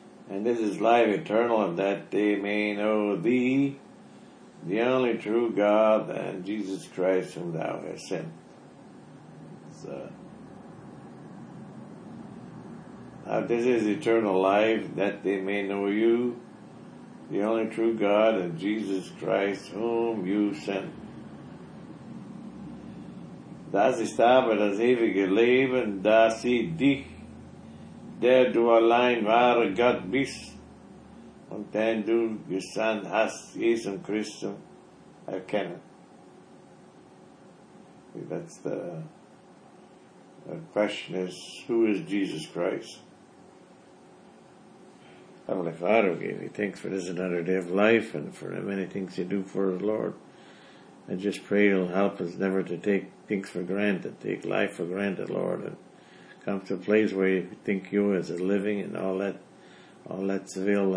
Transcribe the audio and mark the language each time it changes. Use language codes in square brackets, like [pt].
[en] And this is life eternal, and that they may know thee, the only true God, and Jesus Christ whom thou hast sent. This is eternal life, that they may know you, the only true God, and Jesus Christ whom you sent. [de] Das ist aber das ewige Leben, dass sie dich, der du allein wahre Gott bist, und den du gesandt hast, Jesus Christus, erkennen. [en] That's the question is, who is Jesus Christ? Heavenly Father, we give you thanks for this another day of life and for the many things you do for us, Lord. I just pray you'll help us never to take things for granted, take life for granted, Lord, and come to a place where you think you as a living and all that's available.